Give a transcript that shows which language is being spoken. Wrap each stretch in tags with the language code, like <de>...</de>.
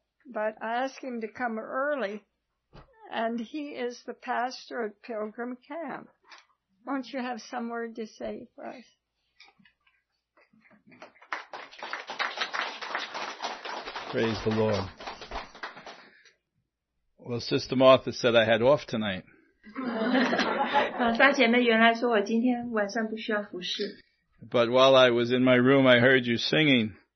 <en>But I asked him to come early, and he is the pastor at Pilgrim Camp. Won't you have some word to say for us? Praise the Lord. Well, Sister Martha said I had off tonight.</en> <zh>大姐妹原来说我今天晚上不需要服侍。</zh> <en>But while I was in my room, I heard you singing.</en>